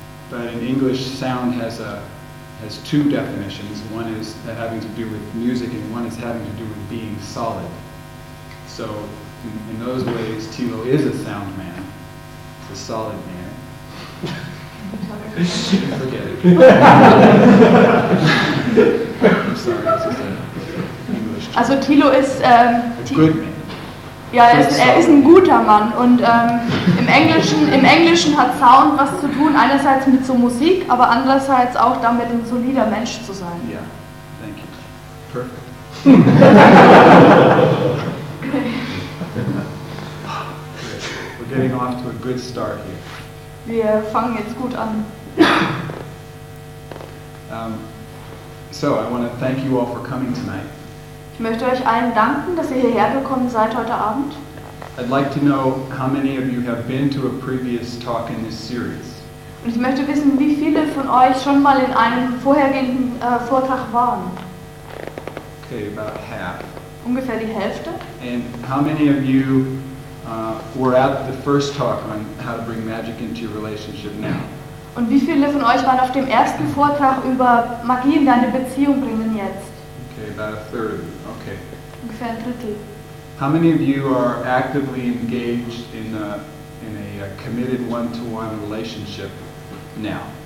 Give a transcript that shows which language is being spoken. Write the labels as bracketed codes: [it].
[en] But in English, sound has two definitions. One is having to do with music, and one is having to do with being solid. So in those ways, Thilo is a sound man. He's a solid man. Forget it. [de] Also Thilo ist er ist ein guter Mann und im Englischen hat Sound was zu tun, einerseits mit so Musik, aber andererseits auch damit ein solider Mensch zu sein. [en] Ja, thank you. Perfect. We're getting off to a good start here. [de] Wir fangen jetzt gut an. [en] So I want to thank you all for coming tonight. [de] Ich möchte euch allen danken, dass ihr hierher gekommen seid heute Abend. [en] I'd like to know how many of you have been to a previous talk in this series. [de] Und ich möchte wissen, wie viele von euch schon mal in einem vorhergehenden Vortrag waren. [en] Okay, about half. [de] Ungefähr die Hälfte. [en] And how many of you were at the first talk on how to bring magic into your relationship now? [de] Und wie viele von euch waren auf dem ersten Vortrag über Magie in deine Beziehung bringen jetzt? [en] Okay, about a third. Okay. [de] Ungefähr ein Drittel. [en] How many of you are actively engaged in a committed one-to-one relationship now?